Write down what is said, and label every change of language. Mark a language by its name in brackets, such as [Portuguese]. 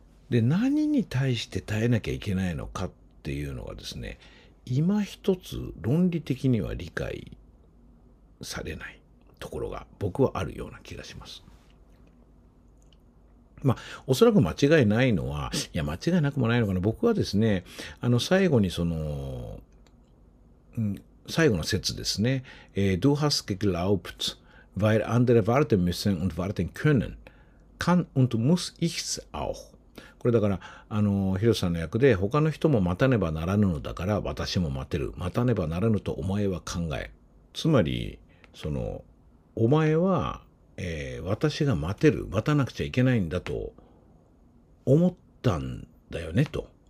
[Japanese] で、何に対して耐えなきゃいけないのかっていうのがですね、今一つ論理的には理解されないところが僕はあるような気がします。まあ、おそらく間違いないのは、いや、間違いなくもないのかな。僕はですね、最後にその、最後の説ですね、 [German] Du hast geglaubt, weil andere warten müssen und warten können, kann und muss ich es auch. [Japanese] これだから、ヒロさんの役で、他の人も待たねばならぬのだから私も待てる、待たねばならぬとお前は考え、つまりそのお前は、私が待てる、待たなくちゃいけないんだと思ったんだよねと。